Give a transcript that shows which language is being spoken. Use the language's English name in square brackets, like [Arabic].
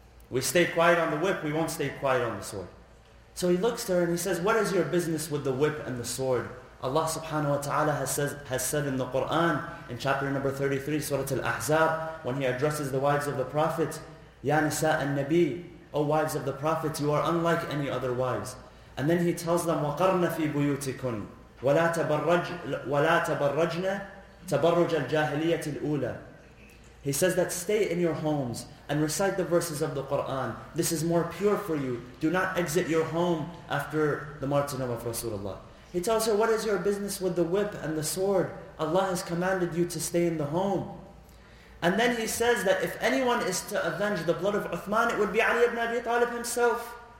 [English] We stay quiet on the whip, we won't stay quiet on the sword. So he looks to her and he says, what is your business with the whip and the sword? Allah subhanahu wa ta'ala has said in the Qur'an, in chapter number 33, Surah Al-Ahzab, when he addresses the wives of the Prophet, Ya Nisa al-Nabi, O wives of the Prophet, you are unlike any other wives. And then he tells them, [Arabic] وَقَرْنَ فِي بُيُوتِكُنْ وَلَا تَبَرَّجْنَ تَبَرُّجَ الْجَاهِلِيَةِ الْأُولَى. [English] He says that stay in your homes and recite the verses of the Qur'an. This is more pure for you. Do not exit your home after the martyrdom of Rasulullah. He tells her, what is your business with the whip and the sword? Allah has commanded you to stay in the home. And then he says that if anyone is to avenge the blood of Uthman, it would be Ali ibn Abi Talib himself.